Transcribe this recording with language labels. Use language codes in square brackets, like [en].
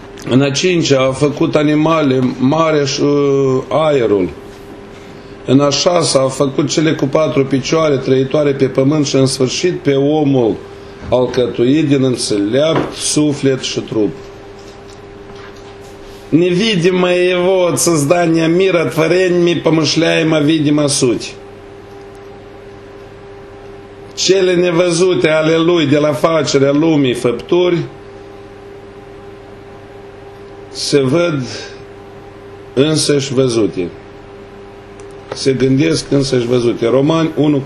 [ro] În a cincea a făcut animale, mare și aerul. În a șasea a făcut cele cu 4 picioare trăitoare pe pământ și în sfârșit pe omul alcătuit din înțelept, suflet și trup. [ru] Невидимое его от создания мира творениями помышляемо видимо суть. [ro] Cele nevăzute ale lui de la facerea lumii făpturi se văd însăși văzute. Se gândesc însăși văzute. Romani 1:20.